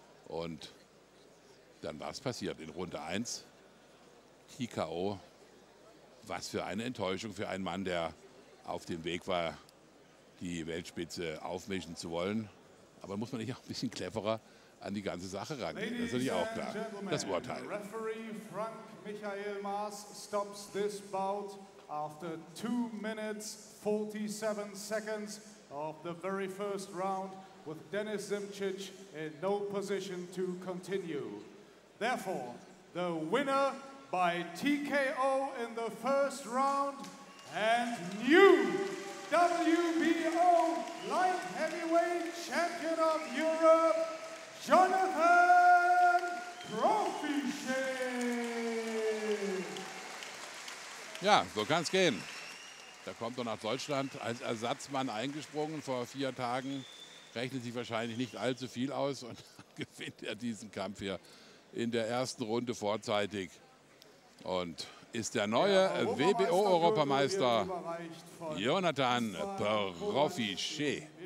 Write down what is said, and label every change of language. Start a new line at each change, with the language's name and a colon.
German: Und dann war es passiert in Runde 1. TKO, was für eine Enttäuschung für einen Mann, der auf dem Weg war, die Weltspitze aufmischen zu wollen. Aber muss man nicht auch ein bisschen cleverer an die ganze Sache rangehen? Das ist natürlich auch klar. Das Urteil.
English: Referee Frank Michael Maas stops this bout after 2 minutes 47 seconds of the very first round with Denis Simčić in no position to continue. Therefore, the winner by TKO in the first round and new WBO light heavyweight champion of Europe, Jonathan Profiché.
German: Ja, so kann es gehen. Da kommt er nach Deutschland als Ersatzmann eingesprungen vor 4 Tagen. Rechnet sich wahrscheinlich nicht allzu viel aus und gewinnt er diesen Kampf hier in der ersten Runde vorzeitig. Und ist der neue WBO-Europameister Jonathan Profiché.